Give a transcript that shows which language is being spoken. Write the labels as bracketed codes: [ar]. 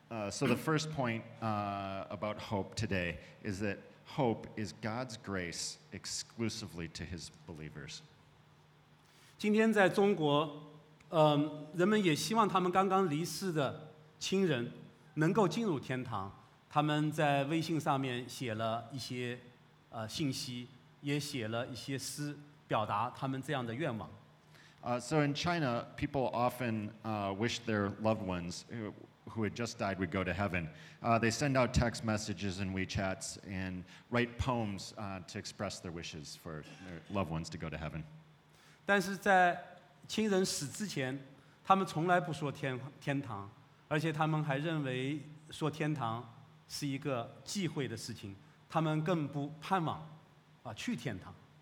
[en] So the first point about hope today is that hope is God's grace exclusively to his believers. [zh] 今天在中国，人们也希望他们刚刚离世的亲人能够进入天堂。他们在微信上面写了一些信息，也写了一些诗，表达他们这样的愿望。 [en] So in China, people often wish their loved ones who had just died would go to heaven. They send out text messages and WeChats and write poems to express their wishes for their loved ones to go to heaven. [zh] 但是在亲人死之前，他们从来不说天堂，而且他们还认为说天堂是一个忌讳的事情，他们更不盼望去天堂。